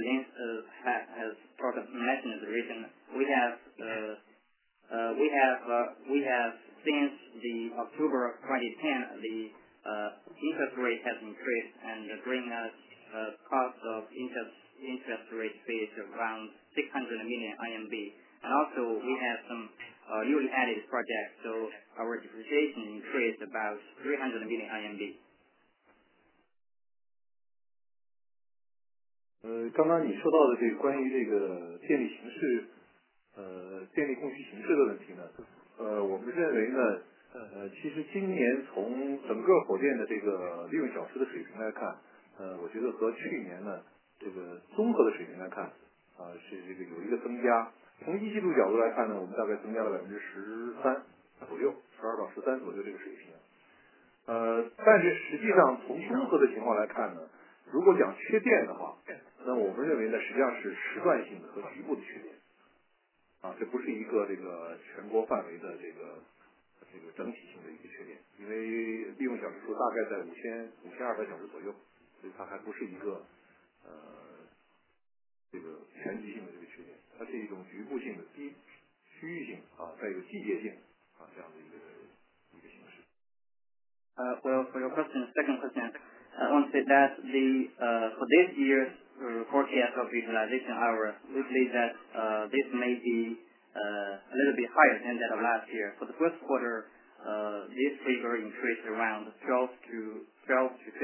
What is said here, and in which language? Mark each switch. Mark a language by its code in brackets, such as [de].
[en] Lin has mentioned the reason, we have since the October 2010, interest rate has increased and bring us a cost of interest rate fees around 600 million RMB. And also we have some newly added projects, so our depreciation increased about 300 million RMB. [zh] 刚刚你说到的这个关于这个电力形式电力供需形式的问题呢，我们认为呢，其实今年从整个火电的这个利用小时的水平来看，我觉得和去年呢这个综合的水平来看，是这个有一个增加。从一季度角度来看呢，我们大概增加了13%左右，12到13%左右这个水平。但是实际上从综合的情况来看呢，如果讲缺电的话，那我们认为呢，实际上是时段性的和局部的缺电，这不是一个这个全国范围的这个整体性的一个缺电，因为利用小时数大概在5200小时左右，所以它还不是一个这个全局性的这个缺电，它是一种局部性的低区域性带有季节性这样的一个形式。 [en] For your question, second question, I want to say that for this year's forecast of utilization hour, we believe that this may be a little bit higher than that of last year. For the first quarter, this figure increased around 12 to 13%.